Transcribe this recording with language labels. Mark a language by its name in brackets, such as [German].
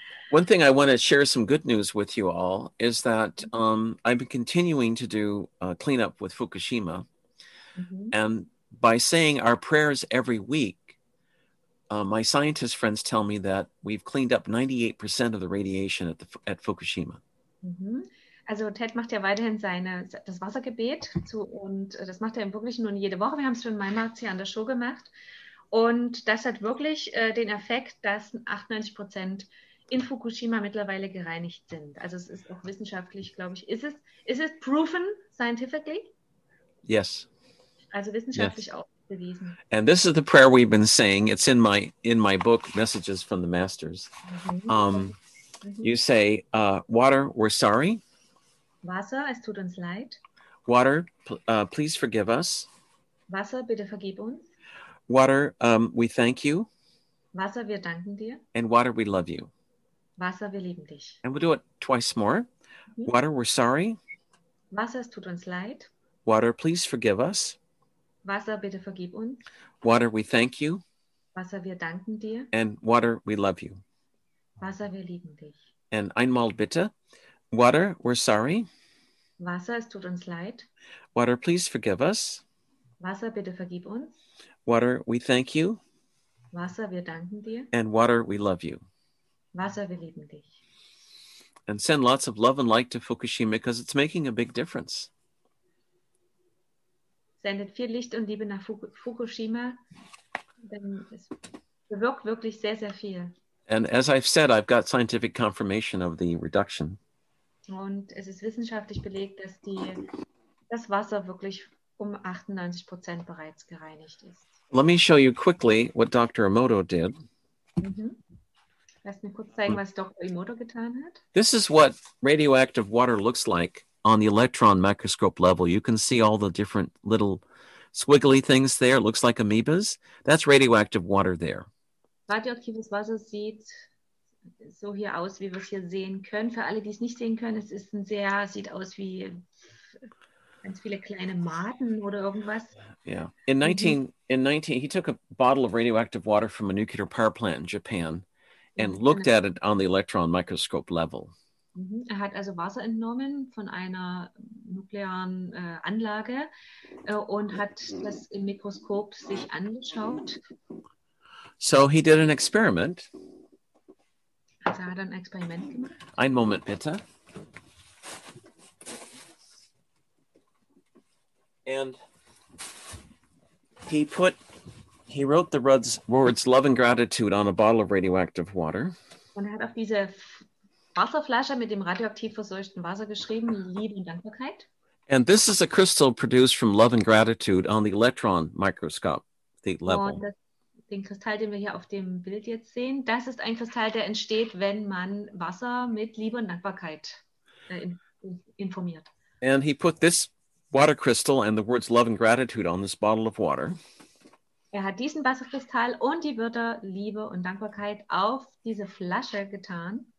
[English] One thing I want to share some good news with you all is that I've been continuing to do cleanup with Fukushima. Mm-hmm. And by saying our prayers every week, My scientist friends tell me that we've cleaned up 98% of the radiation at Fukushima. Mm-hmm. [German] Also Ted macht ja weiterhin das Wassergebet zu, und das macht er im Wirklichen nun jede Woche. Wir haben es für Maimarz hier an der Show gemacht. Und das hat wirklich den Effekt, dass 98% in Fukushima mittlerweile gereinigt sind. Also es ist auch wissenschaftlich, glaube ich, ist es [English] proven scientifically? Yes. [German] Also wissenschaftlich yes. auch bewiesen. [English] And this is the prayer we've been saying. It's in my book, Messages from the Masters. Mm-hmm. You say, water, we're sorry. [German] Wasser, es tut uns leid. [English] Water, please forgive us. [German] Wasser, bitte vergib uns. [English] Water, we thank you. [German] Wasser, wir danken dir. [English] And water, we love you. [German] Wasser, wir lieben dich. [English] And we'll do it twice more. Mm-hmm. Water, we're sorry. [German] Wasser, es tut uns leid. [English] Water, please forgive us. [German] Wasser, bitte vergib uns. [English] Water, we thank you. [German] Wasser, wir danken dir. [English] And water, we love you. [German] Wasser, wir lieben dich. [English] And [German] einmal bitte. [English] Water, we're sorry. [German] Wasser, es tut uns leid. [English] Water, please forgive us. [German] Wasser, bitte vergib uns. [English] Water, we thank you. [German] Wasser, wir danken dir. [English] And water, we love you. [German] Wasser, wir lieben dich. [English] And send lots of love and light to Fukushima because it's making a big difference. [German] Sendet viel Licht und Liebe nach Fukushima, denn es bewirkt wirklich sehr, sehr viel. [English] And as I've said, I've got scientific confirmation of the reduction. [German] Und es ist wissenschaftlich belegt, dass das Wasser wirklich um 98% bereits gereinigt ist. [English] Let me show you quickly what Dr. Emoto did. [German] Mm-hmm. Lass mir kurz zeigen, was Dr. Emoto getan hat. [English] This is what radioactive water looks like on the electron microscope level. You can see all the different little squiggly things there. It looks like amoebas. That's radioactive water there. [German] Radioaktives Wasser sieht so hier aus, wie wir es hier sehen können. Für alle, die es nicht sehen können, es ist ein sehr, sieht aus wie ganz viele kleine Maden oder irgendwas. [English] Yeah. In 19, he took a bottle of radioactive water from a nuclear power plant in Japan and looked at it on the electron microscope level. [German] Er hat also Wasser entnommen von einer nuklearen Anlage und hat das im Mikroskop sich angeschaut. [English] So he did an experiment. [German] Also hat ein Experiment gemacht. Ein Moment bitte. [English] And he wrote the words love and gratitude on a bottle of radioactive water. [German] Und hat auf diese Wasserflasche mit dem radioaktiv verseuchten Wasser geschrieben, Liebe und Dankbarkeit. [English] And this is a crystal produced from love and gratitude on the electron microscope, the level. [German] Und den Kristall, den wir hier auf dem Bild jetzt sehen, das ist ein Kristall, der entsteht, wenn man Wasser mit Liebe und Dankbarkeit informiert. [English] And he put this water crystal and the words love and gratitude on this bottle of water. [German] Er hat diesen Wasserkristall und die Wörter Liebe und Dankbarkeit auf diese Flasche getan.